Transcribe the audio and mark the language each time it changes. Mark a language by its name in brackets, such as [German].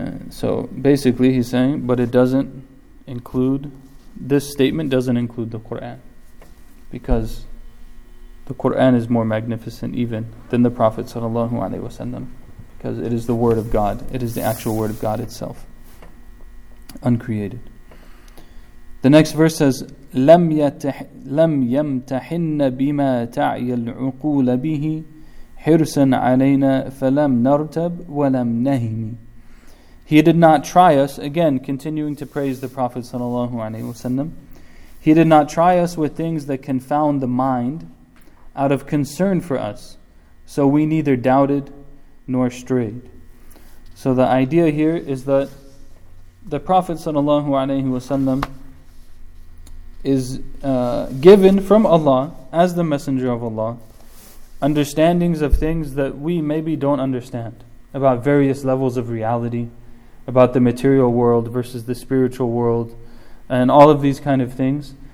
[English] So basically he's saying, but it doesn't include, this statement doesn't include the Qur'an, because the Qur'an is more magnificent even than the Prophet sallallahu alaihi wasallam, because it is the word of God. It is the actual word of God itself, uncreated. The next verse says, [Arabic] لَمْ يَمْتَحِنَّ بِمَا تَعْيَ الْعُقُولَ بِهِ حِرْسًا عَلَيْنَا فَلَمْ نَرْتَبْ وَلَمْ نَهِمِ. [English] He did not try us, again continuing to praise the Prophet sallallahu alaihi wasallam, he did not try us with things that confound the mind out of concern for us, so we neither doubted nor strayed. So the idea here is that the Prophet sallallahu alaihi wasallam is given from Allah, as the Messenger of Allah, understandings of things that we maybe don't understand about various levels of reality, about the material world versus the spiritual world, and all of these kind of things.